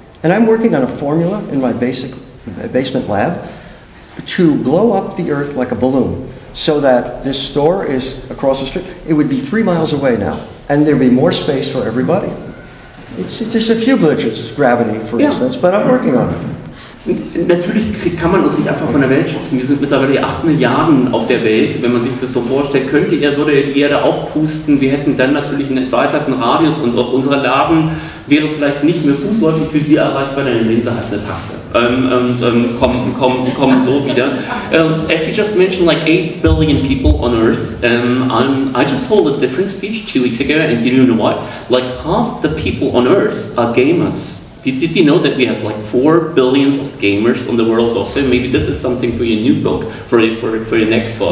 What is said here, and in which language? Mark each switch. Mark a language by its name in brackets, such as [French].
[English] And I'm working on a formula in my basement lab to blow up the Earth like a balloon, so that this store is across the street. It would be 3 miles away now, and there'd be more space for everybody. There's a few glitches, gravity for instance, but I'm working on it. [German] Natürlich kann man uns nicht einfach von der Welt schubsen. Wir sind mittlerweile 8 Milliarden auf der Welt. Wenn man sich das so vorstellt, könnte er, würde die Erde aufpusten. Wir hätten dann natürlich einen erweiterten Radius und auch unsere Laden wäre vielleicht nicht mehr fußläufig für Sie erreichbar, denn nehmen Sie halt eine Taxe. Kommen so wieder. [English] As you just mentioned, like 8 billion people on Earth, I just saw a different speech 2 weeks ago, and you know why? Like half the people on Earth are gamers. Did you know that we have like 4 billion of gamers in the world also? Maybe this is something for your new book, for your next book.